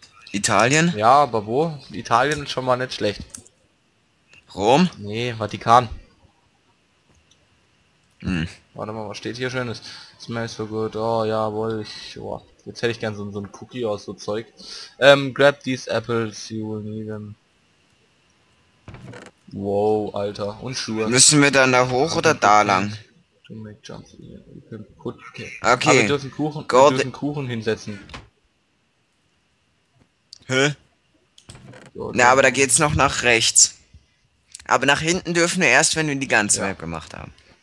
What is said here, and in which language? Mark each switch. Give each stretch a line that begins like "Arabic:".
German: Italien? Ja, aber wo? Italien ist schon mal nicht schlecht. Rom? Nee, Vatikan. Hm. Warte mal, was steht hier Schönes?
English: Smells so good.
German: Oh, jawohl. Jetzt hätte ich gern so ein Cookie aus so Zeug.
English: Grab these apples, you will need them.
German: Wow, Alter. Und Schuhe. Müssen wir dann da hoch oder da lang?
English: To make jumps. Okay.
German: Aber wir dürfen Kuchen hinsetzen. Hä? Na, aber da geht's noch nach rechts. Aber nach hinten dürfen wir erst, wenn wir die ganze Map gemacht haben.